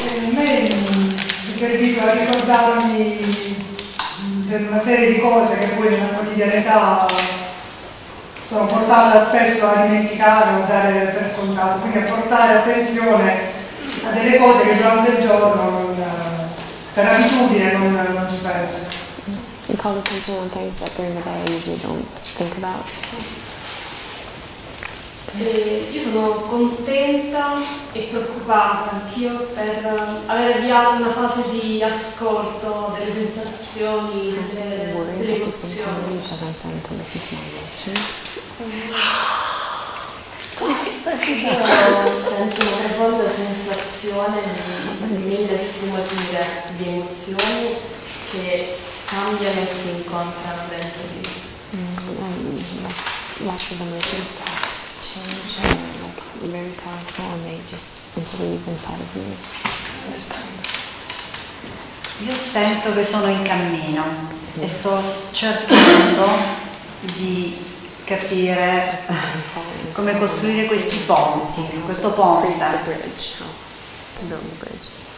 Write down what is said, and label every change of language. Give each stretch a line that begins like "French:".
Italian: Mi è servito a ricordarmi per una serie di cose che poi nella quotidianità sono portata spesso a dimenticare o a dare per scontato, quindi a portare attenzione a delle cose che durante il giorno per abitudine non ci penso.
English: You call attention on things that during the day you usually don't think about.
Italian: Io sono contenta e preoccupata anch'io per aver avviato una fase di ascolto delle sensazioni, delle emozioni. Sento una profonda sensazione di mille sfumature di emozioni che cambiano e si incontrano dentro di me.
English: Like very powerful and they just interweave inside of me.
Italian: Io sento che sono in cammino e sto cercando di capire come costruire questi ponti, questo ponte.
English: The bridge. To build the bridge.